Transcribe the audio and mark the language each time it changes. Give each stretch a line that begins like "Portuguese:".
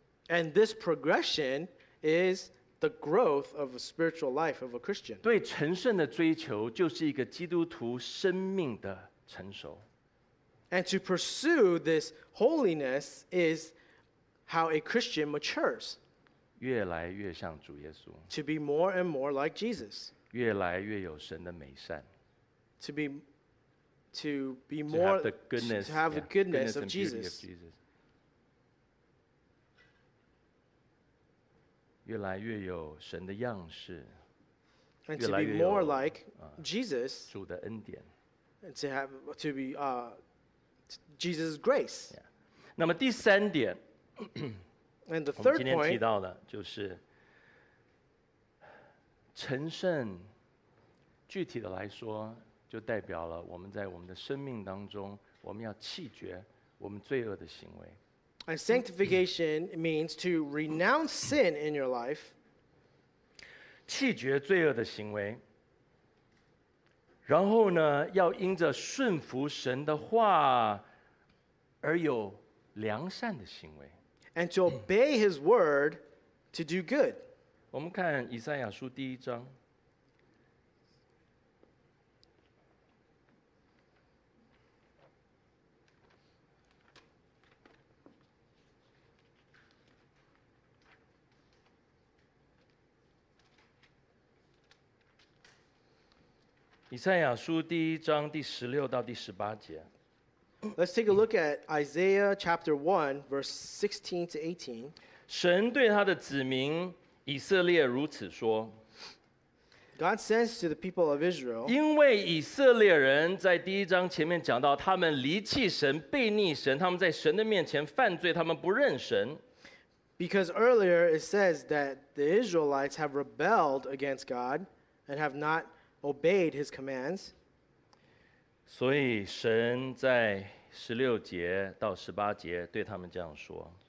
English: And this progression is the growth of a spiritual life of a Christian.
Chinese: 对成圣的追求，就是一个基督徒生命的成熟。
English: And to pursue this holiness is how a Christian matures.
Chinese: 越来越像主耶稣。
English: To be more and more like Jesus.
Chinese: 越来越有神的美善。
English: To be more, to have the goodness, goodness of Jesus. Of Jesus.
Chinese: 越来越有神的样式。
English: And to be more like Jesus.
Chinese: 主的恩典。
English: And to be Jesus' grace.
Chinese: Yeah. 那么第三点
English: And the third point,
Chinese: 我们今天提到的就是成圣，具体的来说就代表了我们在我们的生命当中，我们要弃绝我们罪恶的行为。
English: And sanctification means to renounce sin in your life.
Chinese: 弃绝罪恶的行为，然后呢，要因着顺服神的话而有良善的行为。
English: And to obey his word to do good.
Chinese: 我们看以赛亚书第一章。以赛亚书第一章第十六到第十八节。
English: Let's take a look at Isaiah chapter 1, verse 16 to 18.
Chinese: 神对他的子民以色列如此说。
English: God says to the people of Israel,
Chinese: 因为以色列人在第一章前面讲到他们离弃神背逆神他们在神的面前犯罪他们不认神。
English: Because earlier it says that the Israelites have rebelled against God and have not obeyed his commands.
Chinese: 所以神在十六节到十八节对他们这样说。